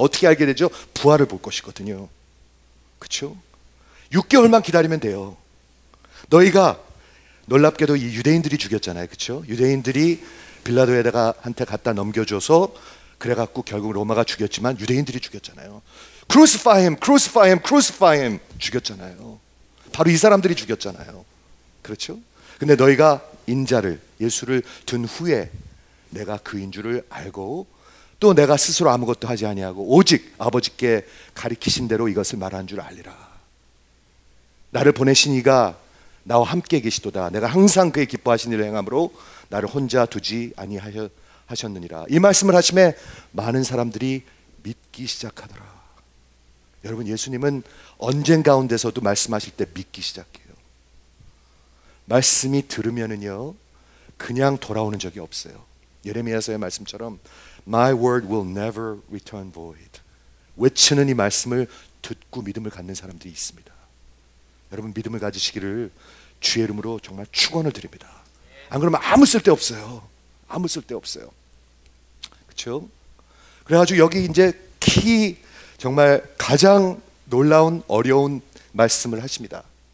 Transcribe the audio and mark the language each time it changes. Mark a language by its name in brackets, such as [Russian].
[Korean] 어떻게 알게 되죠? 부활을 볼 것이거든요. 그렇죠? 6개월만 기다리면 돼요. 너희가 놀랍게도 이 유대인들이 죽였잖아요. 그렇죠? 유대인들이 빌라도에다가 한테 갖다 넘겨줘서 그래갖고 결국 로마가 죽였지만 유대인들이 죽였잖아요. [English] Crucify him, crucify him, crucify him [Korean] 죽였잖아요. 바로 이 사람들이 죽였잖아요. 그렇죠? 근데 너희가 인자를 예수를 든 후에 내가 그인 줄을 알고 또 내가 스스로 아무것도 하지 아니하고 오직 아버지께 가리키신 대로 이것을 말한 줄 알리라. 나를 보내신 이가 나와 함께 계시도다. 내가 항상 그의 기뻐하신 일을 행함으로 나를 혼자 두지 아니하셨느니라. 이 말씀을 하심에 많은 사람들이 믿기 시작하더라. 여러분 예수님은 언젠 가운데서도 말씀하실 때 믿기 시작해요. 말씀이 들으면은요 그냥 돌아오는 적이 없어요. 예레미야서의 말씀처럼 [English] My word will never return void. [Korean] 외치는 이 말씀을 듣고 믿음을 갖는 사람들이 있습니다. 여러분 믿음을 가지시기를 주의 이름으로 정말 축원을 드립니다. 안 그러면 아무 쓸데 없어요. 아무 쓸데 없어요. 그렇죠? 그래가지고 여기 이제 키 정말 가장 놀라운 어려운 말씀을 하십니다.